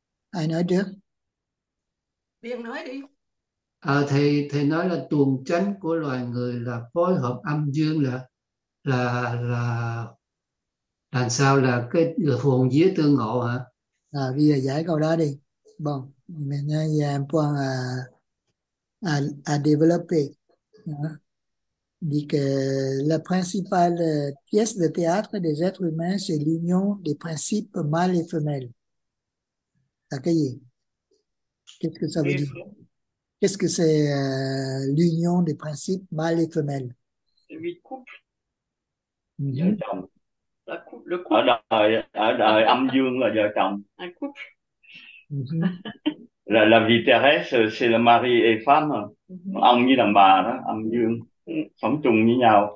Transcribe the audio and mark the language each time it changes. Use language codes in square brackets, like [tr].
[vi] ai nói trước? Điền nói đi. Thầy nói là tuồng chánh của loài người là phối hợp âm dương, là làm sao, là cái hồn vía tương ngộ hả? À, bây giờ giải câu đó đi. [fr] Bon, maintenant il y a un point à développer. Dit que la principale pièce de théâtre des êtres humains, c'est l'union des principes mâles et femelles. [vi] À, cái gì? [fr] Qu'est-ce que ça veut dire? Qu'est-ce que c'est l'union des principes mâles et femelles? Huit couples, vợ chồng, là couple, le couple. [vi] Ở đời âm dương là vợ chồng, un couple là vie terrestre, [fr] c'est le mari et femme, [vi] ông với đàn bà đó, âm dương sống chung với nhau.